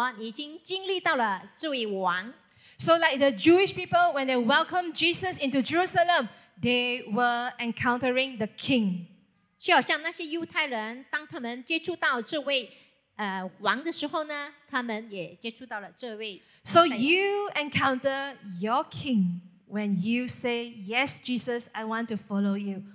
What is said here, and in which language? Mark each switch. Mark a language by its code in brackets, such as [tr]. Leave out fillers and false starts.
[zh] 所以当你能够经历到耶稣的时候呢，意思就是说你已经经历到了这位王。 [en] So like the Jewish people, when they welcomed Jesus into Jerusalem, they were encountering the King. [zh] 就好像那些犹太人，当他们接触到这位王的时候呢，他们也接触到了这位。 [en] So you encounter your king when you say, yes, Jesus, I want to follow you.